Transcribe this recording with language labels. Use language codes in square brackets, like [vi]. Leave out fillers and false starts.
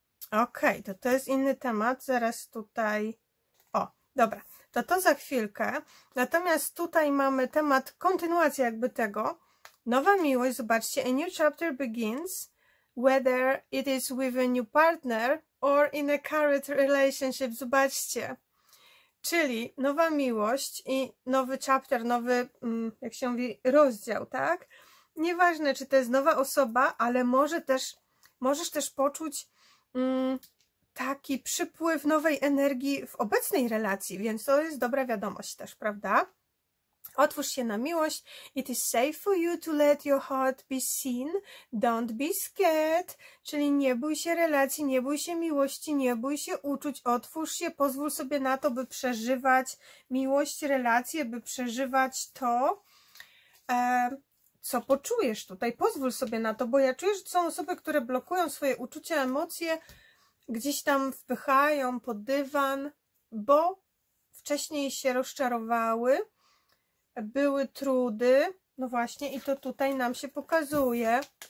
[pl] Okej, to jest inny temat. Zaraz tutaj. O, dobra, to za chwilkę. Natomiast tutaj mamy temat, kontynuacja jakby tego. Nowa miłość, zobaczcie. [en] A new chapter begins. Whether it is with a new partner or in a current relationship, [pl] zobaczcie. Czyli nowa miłość i nowy chapter, nowy, jak się mówi, rozdział, tak? Nieważne, czy to jest nowa osoba, ale możesz też poczuć. Taki przypływ nowej energii w obecnej relacji, więc to jest dobra wiadomość też, prawda? Otwórz się na miłość. [en] It is safe for you to let your heart be seen. Don't be scared. [pl] Czyli nie bój się relacji, nie bój się miłości, nie bój się uczuć. Otwórz się, pozwól sobie na to, by przeżywać miłość, relacje, by przeżywać to. Co poczujesz tutaj? Pozwól sobie na to, bo ja czuję, że są osoby, które blokują swoje uczucia, emocje, gdzieś tam wpychają pod dywan, bo wcześniej się rozczarowały, były trudy, no właśnie, i to tutaj nam się pokazuje.